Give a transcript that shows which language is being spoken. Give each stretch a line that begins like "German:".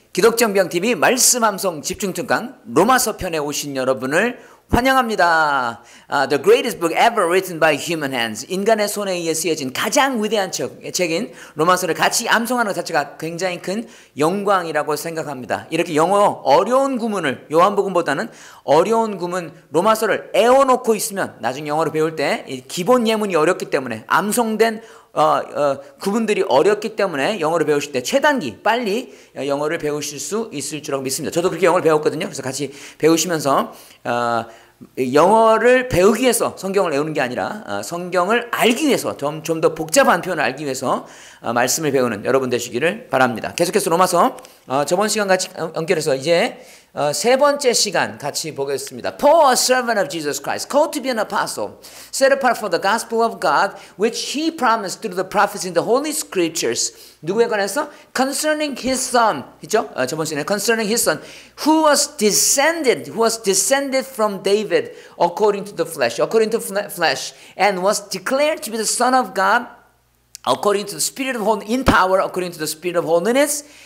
Korean: 기독정병TV 말씀함성 집중특강 로마서편에 오신 여러분을 환영합니다.
English: The greatest book ever written by human hands.
Korean: 인간의 손에 의해 쓰여진 가장 위대한 책인 로마서를 같이 암송하는 것 자체가 굉장히 큰 영광이라고 생각합니다. 이렇게 영어 어려운 구문을 요한복음보다는 어려운 구문 로마서를 애워놓고 있으면 나중에 영어를 배울 때 기본 예문이 어렵기 때문에 암송된 구분들이 어렵기 때문에 영어를 배우실 때 최단기 빨리 영어를 배우실 수 있을 줄 믿습니다. 저도 그렇게 영어를 배웠거든요. 그래서 같이 배우시면서 영어를 배우기 위해서 성경을 외우는 게 아니라 성경을 알기 위해서 좀 더 복잡한 표현을 알기 위해서 말씀을 배우는 여러분 되시기를 바랍니다. 계속해서 로마서 저번 시간 같이 연결해서 이제 세 번째 시간 같이 보겠습니다.
English: Paul, a servant of Jesus Christ, called to be an apostle, set apart for the gospel of God, which he promised through the prophets in the holy scriptures.
Korean: 누구에 관해서?
English: Concerning his son,
Korean: 있죠? 저번 시간에
English: concerning his son, who was descended from David according to the flesh, and was declared to be the son of God according to the spirit of holiness, in power according to the spirit of holiness.